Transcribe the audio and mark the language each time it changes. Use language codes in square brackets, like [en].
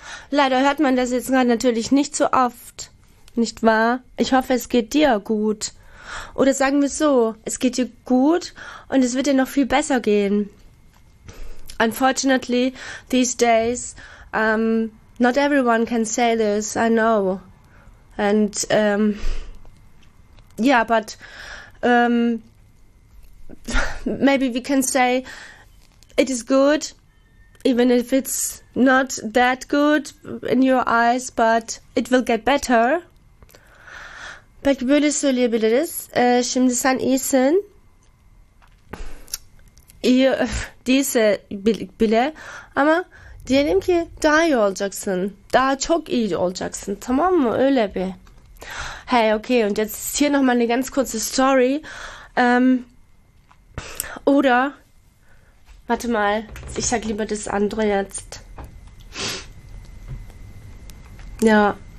[de] Leider hört man das jetzt gerade natürlich nicht so oft, nicht wahr? Ich hoffe, es geht dir gut. Oder sagen wir so, es geht dir gut und es wird dir noch viel besser gehen. [en] Unfortunately, these days, not everyone can say this, I know. And, yeah, but maybe we can say it is good. Even if it's not that good in your eyes, but it will get better. [tr] Pek böyle söyleyebiliriz. Şimdi sen iyisin. İyi değilse bile. Ama diyelim ki daha iyi olacaksın. Daha çok iyi olacaksın. Tamam mı? Öyle bir. Hey, okay. [de] Und jetzt ist hier nochmal eine ganz kurze Story. Oder... Warte mal, ich sag lieber das andere jetzt. Ja.